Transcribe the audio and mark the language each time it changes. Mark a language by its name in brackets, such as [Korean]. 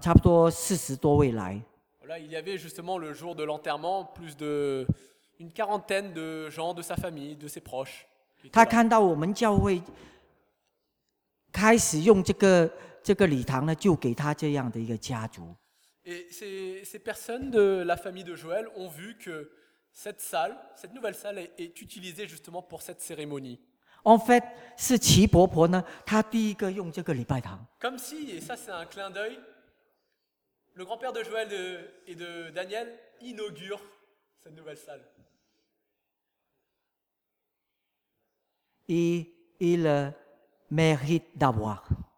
[Chinese] 他们的亲戚呢，有差不多40多位来。 [French] Voilà, il y avait justement le jour de l'enterrement plus d'une quarantaine de gens de sa famille, de ses proches. [Chinese] 他看到我们教会。开始用这个礼堂呢，就给他这样的一个家族。 [French] Et ces personnes de la famille de Joël ont vu que cette salle, cette nouvelle salle est utilisée justement pour cette cérémonie. En fait, [Chinese] 是齐伯伯呢，他第一个用这个礼拜堂。 [French] Comme si, et ça c'est un clin d'œil, le grand-père de Joël et de Daniel inaugure cette nouvelle salle. Et il mérite d'avoir.